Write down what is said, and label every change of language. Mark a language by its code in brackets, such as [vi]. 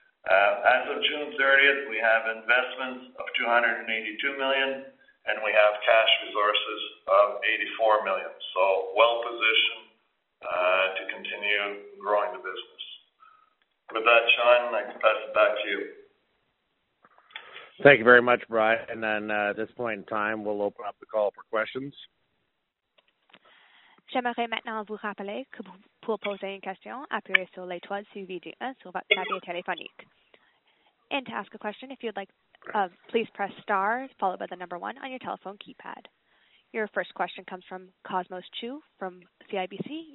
[en] As of June 30th, we have investments of $282 million, and we have cash resources of $84 million. So well-positioned to continue growing the business. With that, Sean, I can pass it back to you. Thank you very much, Brian. And then at this point in time, we'll open up the call for questions. [fr] J'aimerais maintenant vous rappeler que pour poser une question, appuyez sur l'étoile suivie du 1 sur votre clavier téléphonique. [en] And to ask a question, if you'd like, please press star followed by the number 1 on your telephone keypad. Your first question comes from Cosmos Chu from CIBC.